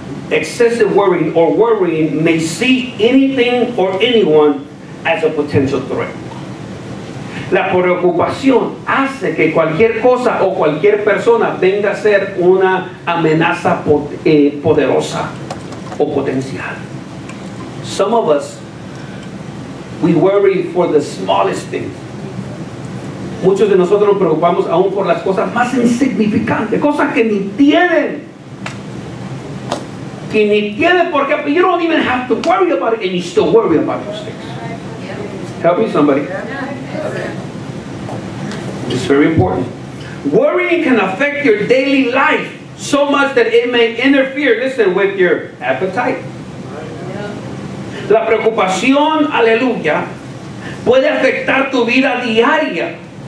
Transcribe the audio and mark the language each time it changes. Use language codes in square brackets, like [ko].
[en] Excessive worrying or worrying may see anything or anyone as a potential threat. [es] La preocupación hace que cualquier cosa o cualquier persona venga a ser una amenaza poderosa o potencial. [en] Some of us, we worry for the smallest things. [es] Muchos de nosotros nos preocupamos aún por las cosas más insignificantes, cosas que ni tienen. Que ni tienen por qué. [en] You don't even have to worry about it, and you still worry about those things. Help me, somebody. It's very important. Worrying can affect your daily life so much that it may interfere, listen, with your appetite. [es] La preocupación, aleluya, puede afectar tu vida diaria.